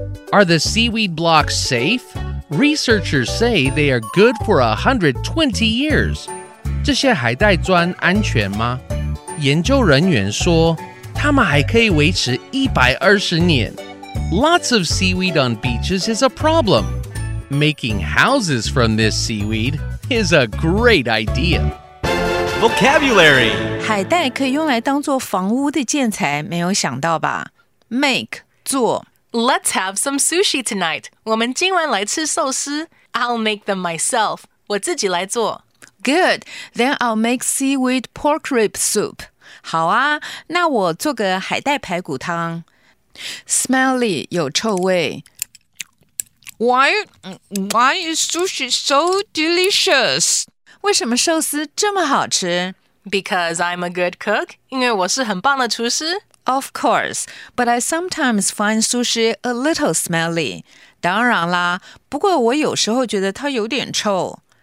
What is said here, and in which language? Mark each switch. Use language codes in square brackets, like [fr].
[en] Are the seaweed blocks safe? Researchers say they are good for 120 years. [zh] 这些海带砖安全吗？研究人员说，它们还可以维持120年。 [en] Lots of seaweed on beaches is a problem. Making houses from this seaweed is a great idea. Vocabulary. [zh] 海带可以用来当做房屋的建材，没有想到吧 ？Make 做。 [en] Let's have some sushi tonight. [zh] 我们今晚来吃寿司。 [en] I'll make them myself. [zh] 我自己来做。 [en] Good, then I'll make seaweed pork rib soup. [zh] 好啊，那我做个海带排骨汤。 [en] Smelly, [zh] 有臭味。 [en] Why is sushi so delicious? [zh] 为什么寿司这么好吃？ [en] Because I'm a good cook, [zh] 因为我是很棒的厨师。 [en] Of course, but I sometimes find sushi a little smelly. [zh] 当然啦，不过我有时候觉得它有点臭。